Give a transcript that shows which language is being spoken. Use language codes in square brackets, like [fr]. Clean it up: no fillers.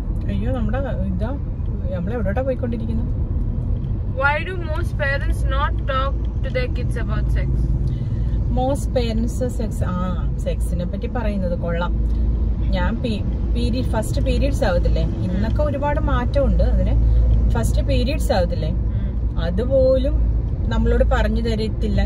[ml] അയ്യോ, നമ്മുടെ ഇതാ എവിടെ പോയിക്കൊണ്ടിരിക്കുന്നു. [en] Why do most parents not talk to their kids about sex? Most parents sex, [ml] സെക്സിനെ പറ്റി പറയുന്നത് കൊള്ളാം. ഞാൻ പീരീഡ് ഫസ്റ്റ് പീരീഡ്സ് ആവത്തില്ലേ, ഇന്നൊക്കെ ഒരുപാട് മാറ്റമുണ്ട്, അതിന് ഫസ്റ്റ് പീരീഡ്സ് ആവത്തില്ലേ, അതുപോലും നമ്മളോട് പറഞ്ഞു തരത്തില്ല.